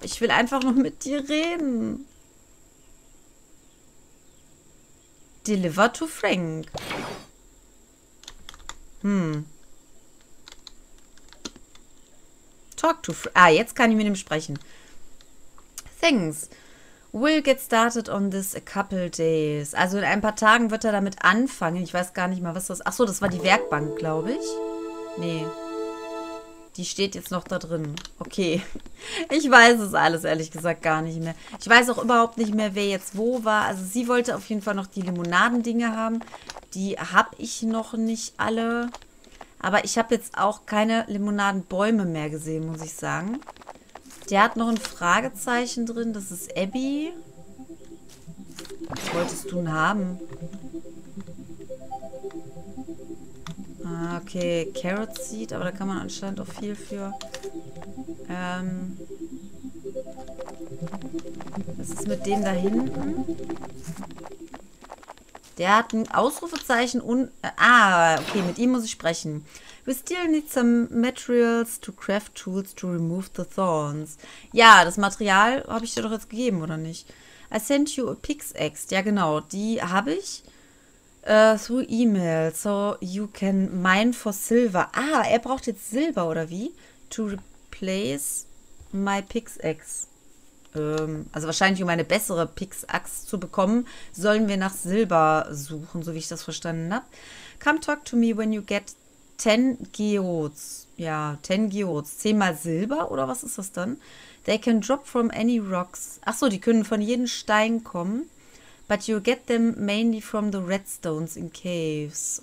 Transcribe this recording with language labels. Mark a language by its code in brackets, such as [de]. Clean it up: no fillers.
[de] Ich will einfach nur mit dir reden. [en] Deliver to Frank. Talk to Frank. [de] Ah, jetzt kann ich mit ihm sprechen. [en] Thanks. We'll get started on this a couple days. [de] Also in ein paar Tagen wird er damit anfangen. Ich weiß gar nicht mal, was das. Ach so, das war die Werkbank, glaube ich. Nee. Die steht jetzt noch da drin. Okay. Ich weiß es alles ehrlich gesagt gar nicht mehr. Ich weiß auch überhaupt nicht mehr, wer jetzt wo war. Also sie wollte auf jeden Fall noch die Limonadendinge haben. Die habe ich noch nicht alle. Aber ich habe jetzt auch keine Limonadenbäume mehr gesehen, muss ich sagen. Der hat noch ein Fragezeichen drin. Das ist Abby. Was wolltest du denn haben? Ah, okay, Carrot Seed, aber da kann man anscheinend auch viel für. Was ist mit dem da hinten? Der hat ein Ausrufezeichen und. Okay, mit ihm muss ich sprechen. [en] We still need some materials to craft tools to remove the thorns. [de] Ja, das Material habe ich dir doch jetzt gegeben, oder nicht? [en] I sent you a pickaxe. [de] Ja, genau, die habe ich. [en] Through E-Mail, so you can mine for silver. [de] Ah, er braucht jetzt Silber, oder wie? [en] To replace my pickaxe. [de] Also wahrscheinlich, um eine bessere Pickaxe zu bekommen, sollen wir nach Silber suchen, so wie ich das verstanden habe. [en] Come talk to me when you get 10 Geodes. [de] Ja, 10 Geodes. 10 mal Silber, oder was ist das dann? [en] They can drop from any rocks. [de] Ach so, die können von jedem Stein kommen. [en] But you get them mainly from the redstones in caves.